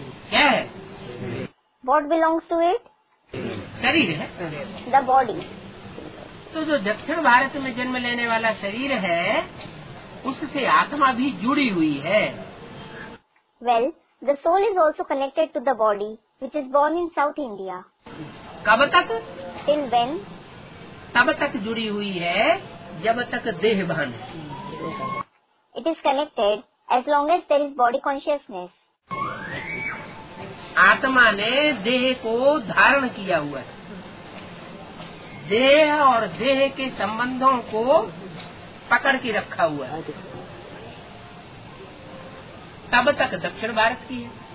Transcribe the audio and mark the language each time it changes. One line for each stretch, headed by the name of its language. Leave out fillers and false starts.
Hindi: क्या है?
English: What belongs to it?
Hindi: शरीर है।
English: The body.
Hindi: तो जो दक्षिण भारत में जन्म लेने वाला शरीर है उससे आत्मा भी जुड़ी हुई है।
English: Well, the soul is also connected to the body, which is born in South India.
Hindi: कब तक?
English: Till when?
Hindi: तब तक जुड़ी हुई है जब तक देह बहन।
English: It is connected as long as there is body consciousness.
Hindi: आत्मा ने देह को धारण किया हुआ है, देह और देह के संबंधों को पकड़ के रखा हुआ है, तब तक दक्षिण भारत की है।